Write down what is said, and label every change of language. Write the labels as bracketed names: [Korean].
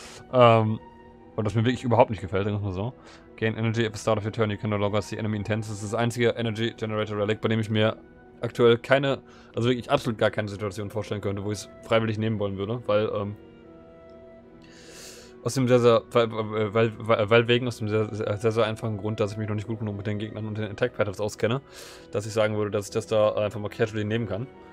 [German] Und das mir wirklich überhaupt nicht gefällt, sagen wir so. [English] Gain Energy at the start of your turn. You can no longer see enemy intents. [German] Das ist das einzige Energy-Generator Relic, bei dem ich mir aktuell keine, also wirklich absolut gar keine Situation vorstellen könnte, wo ich es freiwillig nehmen wollen würde. Weil, aus dem sehr, sehr, weil wegen aus dem sehr, sehr, sehr, sehr einfachen Grund, dass ich mich noch nicht gut genug mit den Gegnern und den Attack Patterns auskenne, dass ich sagen würde, dass ich das da einfach mal casually nehmen kann.